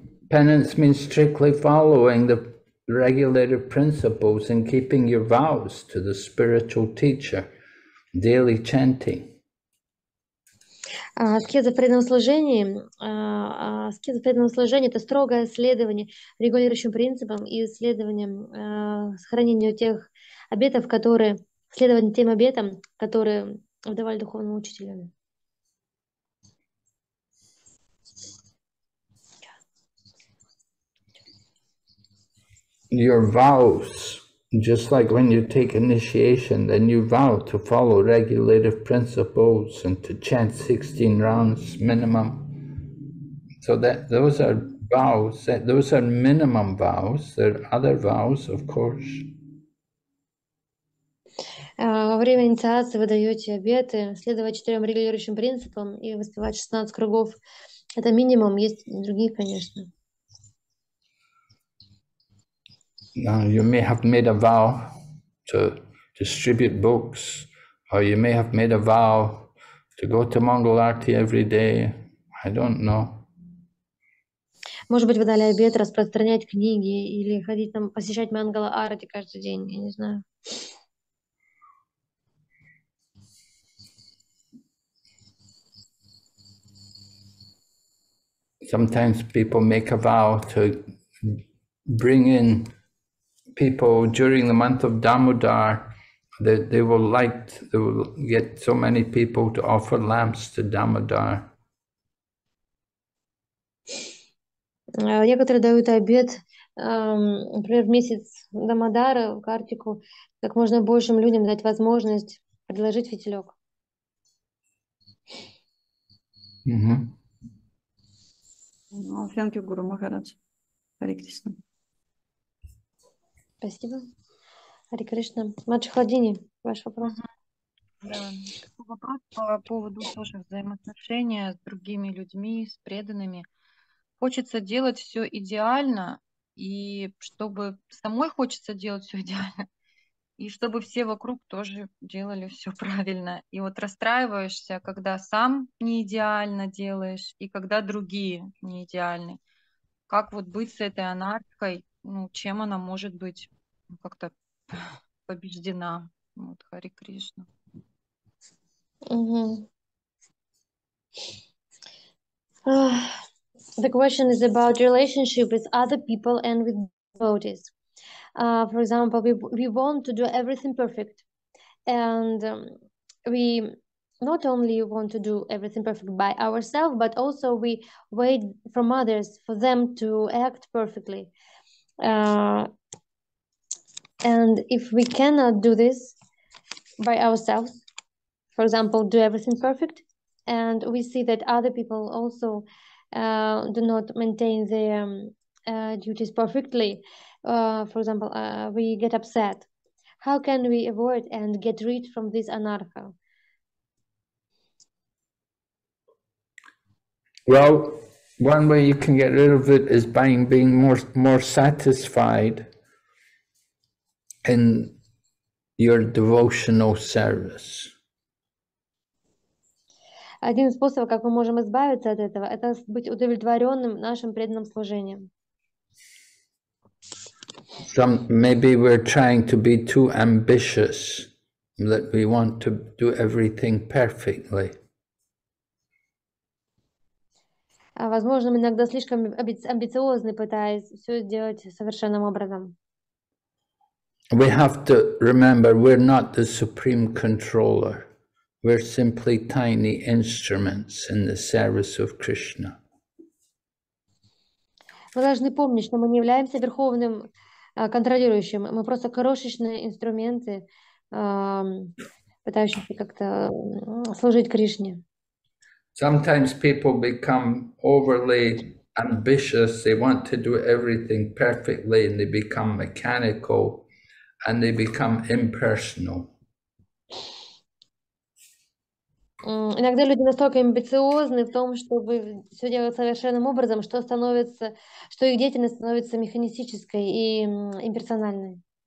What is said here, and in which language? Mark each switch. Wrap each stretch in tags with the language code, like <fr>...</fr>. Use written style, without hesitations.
<en>Penance means strictly following the regulated principles and keeping your vows to the spiritual teacher, daily chanting.</en> <ru>Аскеза преданного служения, аскеза преданного служения — это строгое следование регулирующим принципам и следование сохранению тех обетов, которые следование тем обетам, которые давали духовному учителю.</ru> <en>Your vows, just like when you take initiation, then you vow to follow regulative principles and to chant 16 rounds minimum. So that those are vows, that those are minimum vows. There are other vows, of course.</en> <ru>Во время инициации вы даете обеты следовать четырем регулирующим принципам и воспевать 16 кругов. Это минимум, есть другие, конечно.</ru> <en>You may have made a vow to distribute books, or you may have made a vow to go to Mangal Arati every day. I don't know.</en> <ru>Может быть, вы дали обет распространять книги или ходить там посещать Мангала Арати каждый день, я не знаю.</ru> <en>Sometimes people make a vow to bring in people during the month of Damodar, that they will get so many people to offer lamps to Damodar.</en> <ru>Некоторые дают обет, например, в месяц Дамодара, в Картику, как можно большим людям дать возможность предложить фитилек.</ru> <en>Thank you, Guru Maharaj. Hare Krishna.</en> <ru>Спасибо. Hare Krishna. Матша Хладини, ваш вопрос. Да. Вопрос по поводу тоже взаимоотношения с другими людьми, с преданными. Хочется делать все идеально, и чтобы самой хочется делать все идеально, и чтобы все вокруг тоже делали все правильно. И вот расстраиваешься, когда сам не идеально делаешь, и когда другие не идеальны. Как вот быть с этой анархией? Ну, чем она может быть как-то побеждена? Вот, Хари Кришна.</ru> <en>The question is about relationship with other people and with devotees. For example, we want to do everything perfect, and we not only want to do everything perfect by ourselves, but also we wait from others for them to act perfectly. And if we cannot do this by ourselves, for example, do everything perfect, and we see that other people also do not maintain their duties perfectly, for example, we get upset. How can we avoid and get rid from this anarcha? Well, one way you can get rid of it is by being more satisfied in your devotional service.</en> <ru>Один способ, как мы можем избавиться от этого, это быть удовлетворенным нашим преданным служением.</ru> <en>Maybe we're trying to be too ambitious, that we want to do everything perfectly.</en> <ru>Возможно, мы иногда слишком амбициозны, пытаясь все сделать совершенным образом.</ru> <en>We have to remember, we're not the supreme controller. We're simply tiny instruments in the service of Krishna.</en> <ru>Мы должны помнить, что мы не являемся верховным контролирующим. Мы просто крошечные инструменты, пытающиеся как-то служить Кришне.</ru> <en>Sometimes people become overly ambitious. They want to do everything perfectly, and they become mechanical, and they become impersonal.</en> <ru>Иногда люди настолько амбициозны в том, чтобы все делать совершенным образом, что становится, что их деятельность становится механистической и имперсональной.</ru>